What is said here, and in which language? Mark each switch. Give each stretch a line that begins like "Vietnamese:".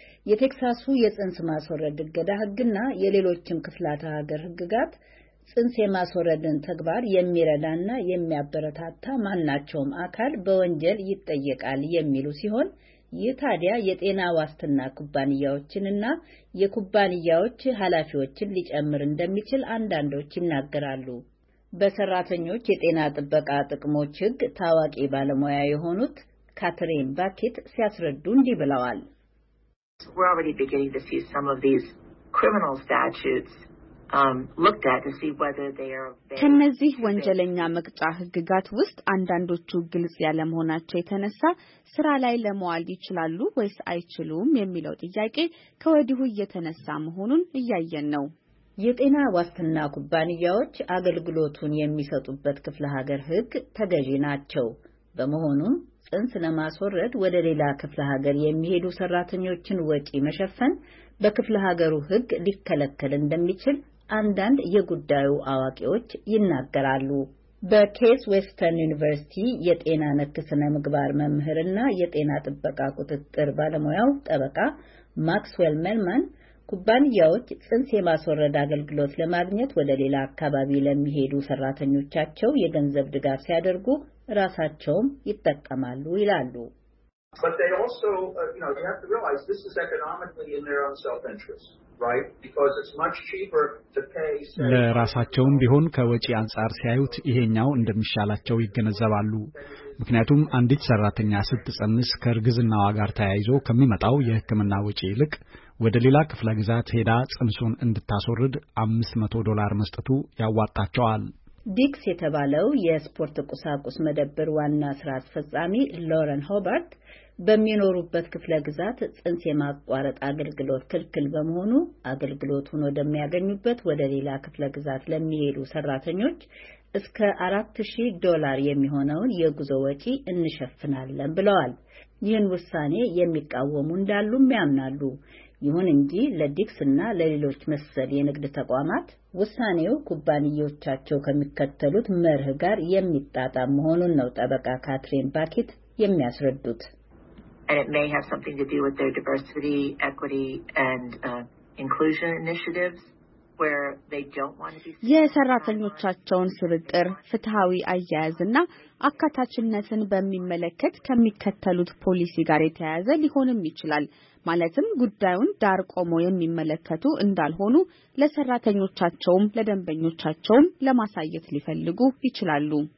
Amharic: የቴክሳሱ የጽንስ ማስወረድ ግዳ ህግና የሌሎችም ክፍላተ ሀገር ህግጋት ጽንስ የማስወረድን ተግባር የሚረዳና የሚያበረታታ ማናቸውም አካል በወንጀል ይጠየቃል የሚሉ ሲሆን፣ ይህ ታዲያ የጤና ዋስትና ኩባንያዎችንና የኩባንያዎች ኃላፊዎችን ሊጨምር እንደሚችል አንዳንዶች ይናገራሉ። በሰራተኞች የጤና ጥበቃ ጥቅሞች ህግ ታዋቂ ባለሙያ የሆኑት ካትሪን ባኬት ሲያስረዱ እንዲህ ብለዋል።
English: We're already beginning to see some of these criminal statutes looked at to see whether they are
Amharic: ከነዚህ ወንጀለኛ መቅጫ ህግጋት ውስጥ አንዳንዶቹ ግልጽ ያለመሆናቸው የተነሳ ስራ ላይ ለመዋል ይችላሉ ወይስ አይችሉም የሚለው ጥያቄ ከወዲሁ እየተነሳ መሆኑን እያየን ነው። የጤና ዋስትና ኩባንያዎች አገልግሎቱን የሚሰጡበት ክፍለ ሀገር ህግ ተገዢ ናቸው። በመሆኑም ጽንስ ለማስወረድ ወደ ሌላ ክፍለ ሀገር የሚሄዱ ሰራተኞችን ወጪ መሸፈን በክፍለ ሀገሩ ህግ ሊከለከል እንደሚችል አንዳንድ የጉዳዩ አዋቂዎች ይናገራሉ። በኬስ ዌስተርን ዩኒቨርሲቲ የጤና ነክ ስነ ምግባር መምህርና የጤና ጥበቃ ቁጥጥር ባለሙያው ጠበቃ ማክስዌል ሜልማን ኩባንያዎች ጽንስ የማስወረድ አገልግሎት ለማግኘት ወደ ሌላ አካባቢ ለሚሄዱ ሰራተኞቻቸው የገንዘብ ድጋፍ ሲያደርጉ ራሳቸውም ይጠቀማሉ ይላሉ።
English: But they also, you have to realize this is economically in their own self-interest, right? Because it's much cheaper to pay.
Amharic: ለራሳቸውም ቢሆን ከወጪ አንጻር ሲያዩት ይሄኛው እንደሚሻላቸው ይገነዘባሉ። ምክንያቱም አንዲት ሰራተኛ ስትጸንስ ከርግዝናዋ ጋር ተያይዞ ከሚመጣው የህክምና ወጪ ይልቅ ወደ ሌላ ክፍለ ግዛት ሄዳ ጽንሱን እንድታስወርድ $500 መስጠቱ ያዋጣቸዋል። ዲክስ የተባለው የስፖርት ቁሳቁስ መደብር ዋና ስራ አስፈጻሚ ሎረን ሆበርት በሚኖሩበት ክፍለ ግዛት ጽንስ የማቋረጥ አገልግሎት ክልክል በመሆኑ አገልግሎቱን ወደሚያገኙበት ወደ ሌላ ክፍለ ግዛት ለሚሄዱ ሰራተኞች እስከ $4,000 የሚሆነውን የጉዞ ወጪ እንሸፍናለን ብለዋል። ይህን ውሳኔ የሚቃወሙ እንዳሉም ያምናሉ። ይሁን እንጂ ለዲክስ እና ለሌሎች መሰል የንግድ ተቋማት ውሳኔው ኩባንያዎቻቸው ከሚከተሉት መርህ ጋር የሚጣጣም መሆኑን ነው ጠበቃ ካትሪን ባኬት የሚያስረዱት።
English: And it may have something to do with their diversity, equity, and inclusion initiatives, where they don't want to be...
Amharic: የሰራተኞቻቸውን ስርጥር ፍትሃዊ አያያዝና አካታችነትን በሚመለከት ከሚከተሉት ፖሊሲ ጋር የተያያዘ ሊሆንም ይችላል። ማለትም ጉዳዩን ዳር ቆሞ የሚመለከቱ እንዳልሆኑ ለሰራተኞቻቸውም ለደንበኞቻቸውም ለማሳየት ሊፈልጉ ይችላሉ።